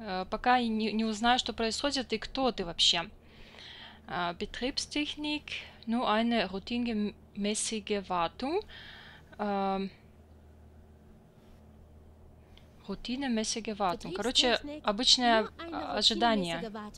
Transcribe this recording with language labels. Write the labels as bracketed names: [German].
[Russian] Пока я не узнаю, что происходит и кто ты вообще. [German] Betriebstechnik, nur eine routinemäßige Wartung. Routinemäßige Wartung. [Russian] Короче, обычное ожидание.